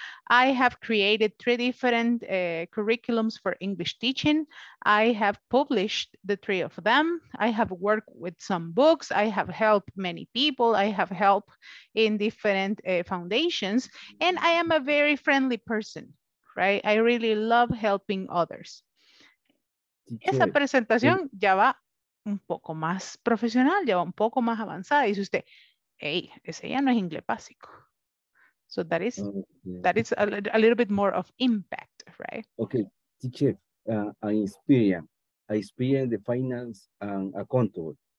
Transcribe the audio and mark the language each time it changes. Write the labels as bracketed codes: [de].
[en] I have created 3 different curriculums for English teaching. I have published the 3 of them. I have worked with some books. I have helped many people. I have helped in different foundations. And I am a very friendly person, right? I really love helping others. [es] Esa presentación ya va un poco más profesional, ya va un poco más avanzada. Dice usted, hey, ese ya no es inglés básico. [en] So that is a little bit more of impact, right? Okay, teacher, I experience the finance and accountable.